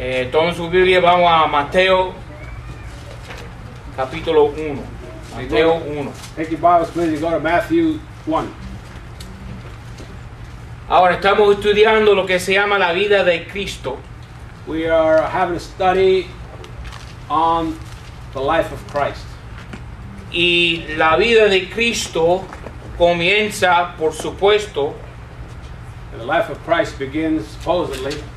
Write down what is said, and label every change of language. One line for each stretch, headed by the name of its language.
Spanish: Tomen su Biblia, vamos a Mateo, capítulo 1. Mateo 1.
English: Take your Bibles, please, go to Matthew 1.
Spanish: Ahora estamos estudiando lo que se llama la vida de Cristo.
English: We are having a study on the life of Christ.
Spanish: Y la vida de Cristo comienza, por supuesto,
English: the life of Christ begins supposedly